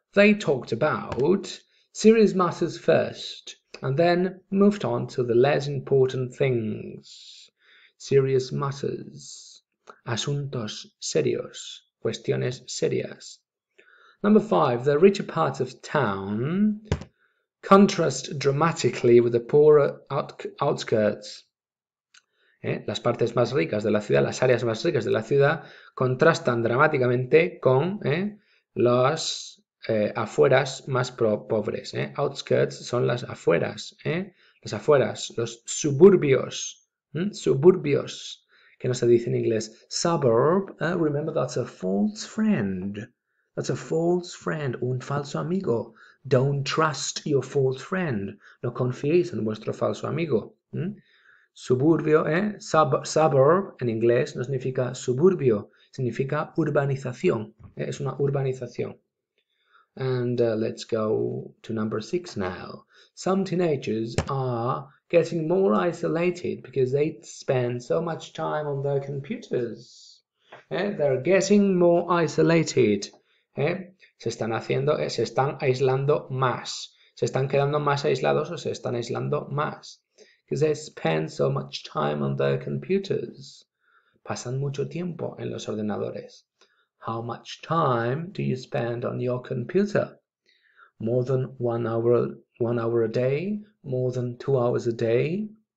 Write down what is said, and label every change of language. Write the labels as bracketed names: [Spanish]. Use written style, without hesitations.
[English] They talked about serious matters first, and then moved on to the less important things. Serious matters. [Spanish] Asuntos serios. Cuestiones serias. [English] Number five. The richer parts of town contrast dramatically with the poorer outskirts. [Spanish] Las partes más ricas de la ciudad, las áreas más ricas de la ciudad, contrastan dramáticamente con las afueras más pobres. Outskirts son las afueras, las afueras, los suburbios, suburbios, que no se dice en inglés. [English] Suburb, remember, that's a false friend. That's a false friend, [Spanish] un falso amigo. [English] Don't trust your false friend. [Spanish] No confiéis en vuestro falso amigo. Suburbio, suburb en inglés no significa suburbio, significa urbanización. Es una urbanización. [English] And let's go to number six now. Some teenagers are getting more isolated because they spend so much time on their computers. They're getting more isolated. [Spanish] Se están haciendo, se están aislando más. Se están quedando más aislados o se están aislando más. [English] Because they spend so much time on their computers. [Spanish] Pasan mucho tiempo en los ordenadores. [English] How much time do you spend on your computer? More than 1 hour, 1 hour a day? More than 2 hours a day?